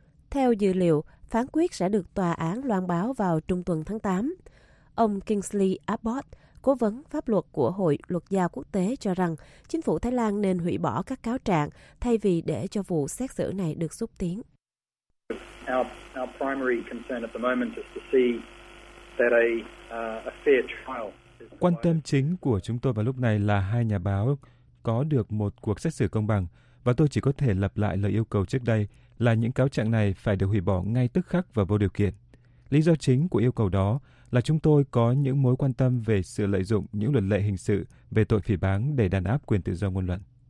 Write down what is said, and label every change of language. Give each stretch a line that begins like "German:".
Vietnamese: Theo dữ liệu, phán quyết sẽ được tòa án loan báo vào trung tuần tháng 8. Ông Kingsley Abbott, cố vấn pháp luật của Hội Luật gia Quốc tế cho rằng chính phủ Thái Lan nên hủy bỏ các cáo trạng thay vì để cho vụ xét xử này được xúc tiến.
English: Our primary concern at the moment is to see that a fair trial.
Vietnamese: Quan tâm chính của chúng tôi vào lúc này là hai nhà báo có được một cuộc xét xử công bằng, và tôi chỉ có thể lặp lại lời yêu cầu trước đây là những cáo trạng này phải được hủy bỏ ngay tức khắc và vô điều kiện. Lý do chính của yêu cầu đó là chúng tôi có những mối quan tâm về sự lợi dụng những luật lệ hình sự về tội phỉ báng để đàn áp quyền tự do ngôn luận.